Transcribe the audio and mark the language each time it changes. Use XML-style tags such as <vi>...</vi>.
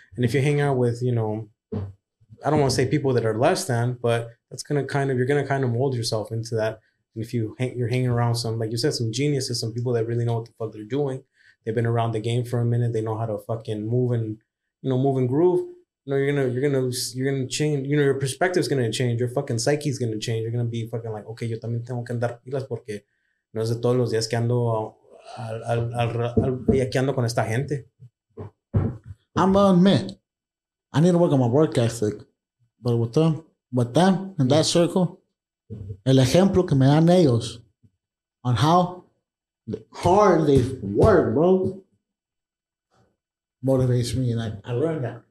<en>And if you hang out with, you know, I don't want to say people that are less than, but that's going to kind of, you're going to kind of mold yourself into that. And if you're hanging around some, like you said, some geniuses, some people that really know what the fuck they're doing, they've been around the game for a minute, they know how to fucking move and, you know, move and groove. No, you're gonna change. You know, your perspective's gonna change. Your fucking psyche's gonna change. You're gonna be fucking like, okay,</en> <es>yo también tengo que andar pilas porque no es de todos los días que ando al y aquí ando con esta gente.</es> <en>I'm gonna admit, I need to work on my work ethic, but with them in that circle,</en> <es>el ejemplo que me dan ellos</es> <en>on how hard they work, bro, motivates me, and I learned that.</en>